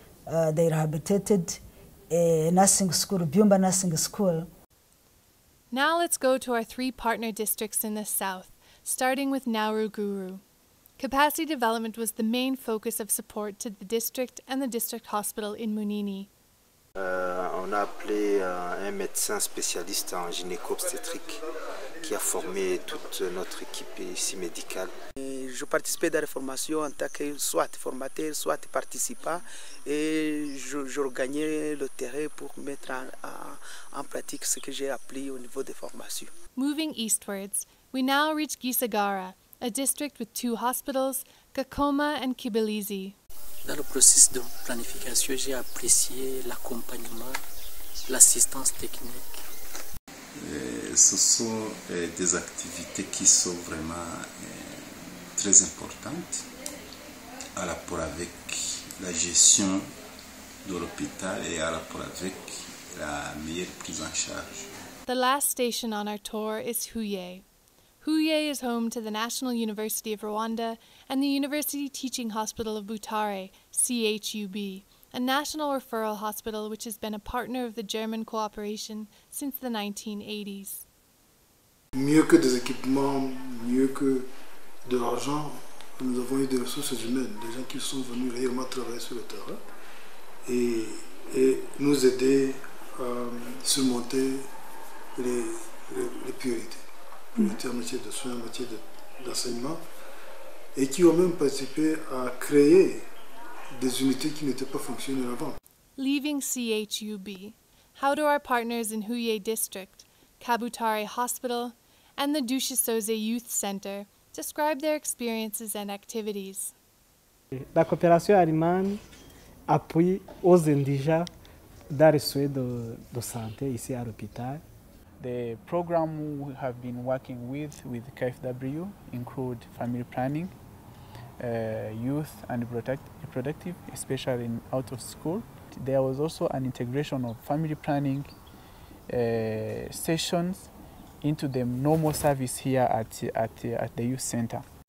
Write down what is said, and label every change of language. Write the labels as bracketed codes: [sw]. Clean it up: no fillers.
[en] They rehabilitated a nursing school, Byumba Nursing School. Now let's go to our 3 partner districts in the south, starting with Nauruguru. Capacity development was the main focus of support to the district and the district hospital in Munini. [fr] On a appelé un médecin spécialiste en gynéco-obstétrique qui a formé toute notre équipe ici médicale. Et je participais dans la formation en tant que soit formateur, soit participant, et je regagnais le terrain pour mettre en pratique ce que j'ai appris au niveau des formations. [en] Moving eastwards, we now reach Gisagara, a district with 2 hospitals, Gakoma and Kibilizi. [fr] Dans le processus de planification, j'ai apprécié l'accompagnement, l'assistance technique. Ce sont des activités qui sont vraiment très importantes à rapport avec la gestion de l'hôpital et à rapport avec la meilleure prise en charge. [en] The last station on our tour is Huye. Huye is home to the National University of Rwanda and the University Teaching Hospital of Butare, CHUB, a national referral hospital which has been a partner of the German cooperation since the 1980s. [fr] Mieux que des équipements, mieux que de l'argent, nous avons eu des ressources humaines, des gens qui sont venus réellement travailler sur le terrain et nous aider à surmonter les priorités. En matière de soins, en matière d'enseignement, et qui ont même participé à créer des unités qui n'étaient pas fonctionnelles avant. [en] Leaving CHUB, how do our partners in Huye District, Kabutare Hospital, and the Dushisoze Youth Center describe their experiences and activities? [fr] La coopération allemande appuie aux indigents dans les soins de santé ici à l'hôpital. [en] The program we have been working with KFW include family planning, youth and reproductive, especially in out of school. There was also an integration of family planning sessions into the normal service here at the youth center.